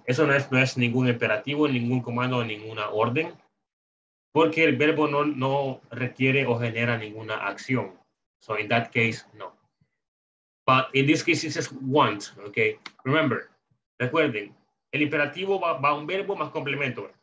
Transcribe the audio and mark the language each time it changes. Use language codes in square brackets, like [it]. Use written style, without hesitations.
[es] Eso no es ningún imperativo, ningún comando, ninguna orden. Porque el verbo no requiere o genera ninguna acción. [en] So in that case, no. But in this case, it says want, okay? Remember, [es] recuerden, el imperativo va a un verbo más complemento.